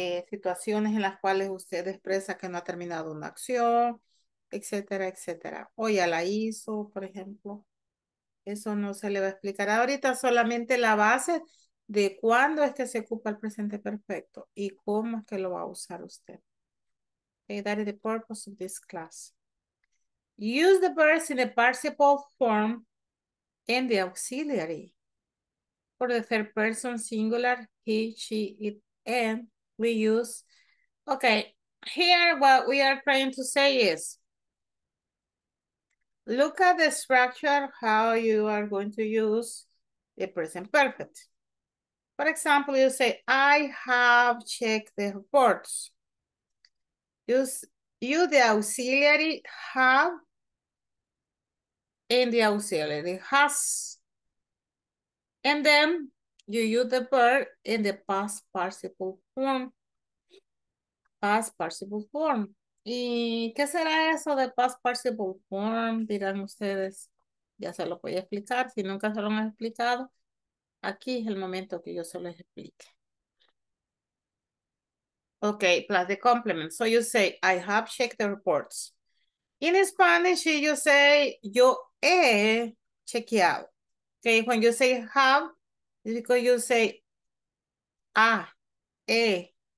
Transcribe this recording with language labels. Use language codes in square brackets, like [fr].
[es] Situaciones en las cuales usted expresa que no ha terminado una acción, etcétera, etcétera. O ya la hizo, por ejemplo. Eso no se le va a explicar ahorita, solamente la base de cuándo es que se ocupa el presente perfecto y cómo es que lo va a usar usted. [en] Okay, that is the purpose of this class. Use the verbs in the participle form and the auxiliary. For the third person singular, he, she, it, and, we use. Okay, here what we are trying to say is, look at the structure, how you are going to use the present perfect. For example, you say, I have checked the reports. Use the auxiliary have and the auxiliary has. And then you use the verb in the past participle form. Past participle form. [es] ¿Y qué será eso de [en] past participle form? [es] Dirán ustedes. Ya se lo voy a explicar. Si nunca se lo han explicado, aquí es el momento que yo se lo explique. [en] Okay, plus the complement. So you say, I have checked the reports. In Spanish, you say, [es] yo he chequeado. [en] Okay, when you say have, it's because you say, he.